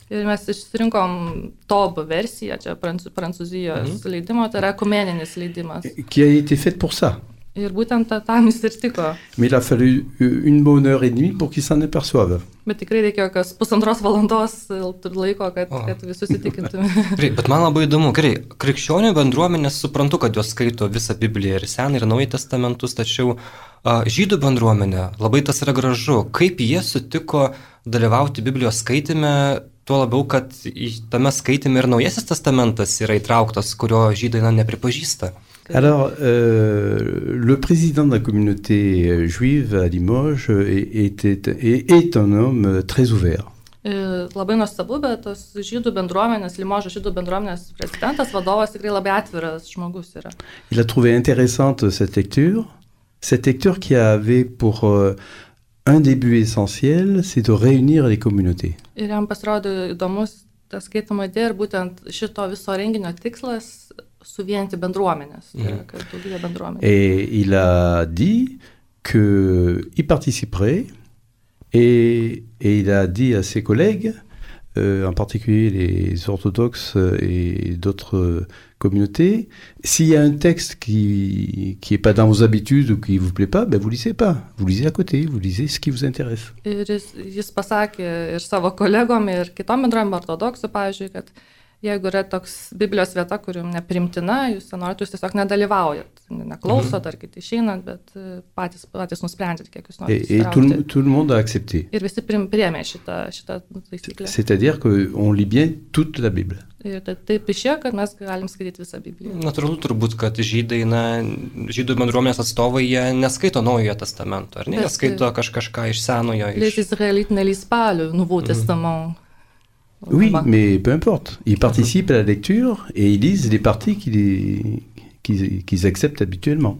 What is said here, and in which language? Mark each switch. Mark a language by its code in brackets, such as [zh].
[lt] Ir mes išsirinkom taube versiją, čia prancūzijos leidimo, tai yra ekumeninis leidimas. [fr] Qui a été faite pour ça. [lt] Ir būtent tam jis ir tiko. [fr] Mais il a fallu une bonne heure et demie pour qu'ils s'en aperçoivent. [lt] Bet tikrai reikėjo kas pusantros valandos laiko, kad visus įtikintume. Bet man labai įdomu, gerai, krikščionių bendruomenės suprantu, kad jos skaito visą Bibliją ir Seną ir Naują Testamentus, tačiau žydų bendruomenė, labai tas yra gražu, kaip jie sutiko dalyvauti Biblijos skaitime, tuo labiau, kad tame skaitime ir Naujasis Testamentas yra įtrauktas, kurio žydai nepripažįsta. [fr] Alors, le président de la communauté juive à Limoges est un homme très ouvert. [lt] Labai nuostabu, bet tos žydų bendruomenės, Limožo žydų bendruomenės prezidentas, vadovas tikrai labai atviras žmogus yra. [fr] Il a trouvé intéressante cette lecture qui avait pour un début essentiel, c'est de réunir les communautés. [lt] Ir jam pasirodė įdomus tas skaitimo idėja ir būtent šito viso renginio tikslas, suvienti bendruomenės, kartu gyvę bendruomenės. [fr] Et il a dit que il participerait et il a dit à ses collègues, en particulier les orthodoxes et d'autres communautés, s'il y a un texte qui est pas dans vos habitudes ou qui vous plaît pas, ben vous lisez pas, vous lisez à côté, vous lisez ce qui vous intéresse. [lt] Ir jis pasakė ir savo kolegom ir kitom bendruomenėm ortodoksų, pavyzdžiui, kad jeigu yra toks Biblijos vieta, kuri jums nepriimtina, jūs norite, jūs tiesiog nedalyvaujat, neklauso, ar kiti išeinat, bet patys nusprendžiat, kiek jūs norite įsitraukti. Ir visi priėmė šitą taisyklę. [fr] C'est-à-dire qu'on lit bien toute la Bible. [lt] Ir taip išėjo, kad mes galim skaityti visą Bibliją. Natūralu turbūt, kad žydų bendruomenės atstovai jie neskaito Naujojo Testamento, ar ne? Jie skaito kažką iš Senojo. [fr] Les Israélites ne lisent pas le Nouveau Testament. Oui, mais peu importe. Ils participent à la lecture et ils lisent les parties qu'ils acceptent habituellement.